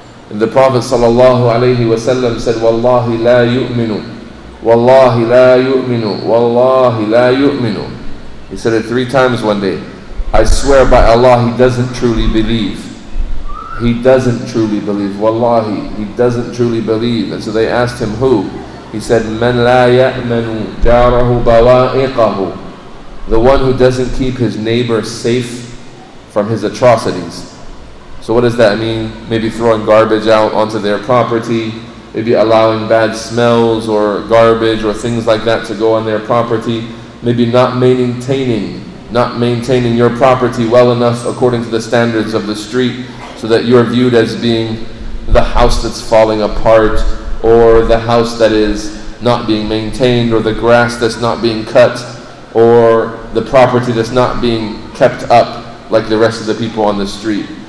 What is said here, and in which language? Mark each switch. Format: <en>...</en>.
<en>And the Prophet sallallahu alaihi wasallam said,</en> <ar>Wallahi la yu'minu, Wallahi la yu'minu,</ar> <en>Wallahi la yu'minu. He said it three times one day. I swear by Allah, he doesn't truly believe. He doesn't truly believe. Wallahi, he doesn't truly believe. And so they asked him, who? He said,</en> <ar>من لا يأمن جاره بوائقه.</ar> <en>The one who doesn't keep his neighbor safe from his atrocities. So what does that mean? Maybe throwing garbage out onto their property, maybe allowing bad smells or garbage or things like that to go on their property, maybe not maintaining your property well enough according to the standards of the street, so that you're viewed as being the house that's falling apart, or the house that is not being maintained, or the grass that's not being cut, or the property that's not being kept up like the rest of the people on the street.</en>